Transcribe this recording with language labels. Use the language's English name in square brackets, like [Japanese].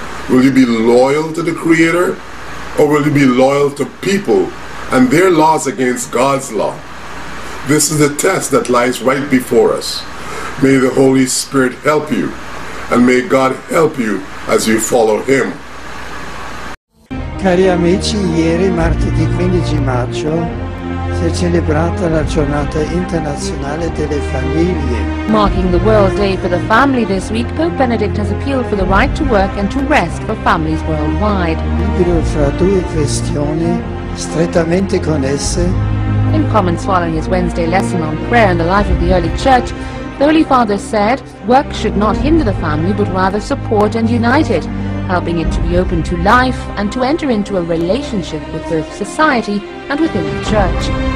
[English] Will you be loyal to the Creator, or will you be loyal to people and their laws against God's law? This is the test that lies right before us. May the Holy Spirit help you, and may God help you as you follow Him. [Italian] Cari amici, ieri martedì 15 maggio si è celebrata la giornata internazionale delle famiglie. [English] Marking the World Day for the Family this week, Pope Benedict has appealed for the right to work and to rest for families worldwide. [Italian] Fra due questioni strettamente connesse. [English] In comments following his Wednesday lesson on prayer and the life of the early church, the Holy Father said, work should not hinder the family, but rather support and unite it, helping it to be open to life and to enter into a relationship with both society and within the church.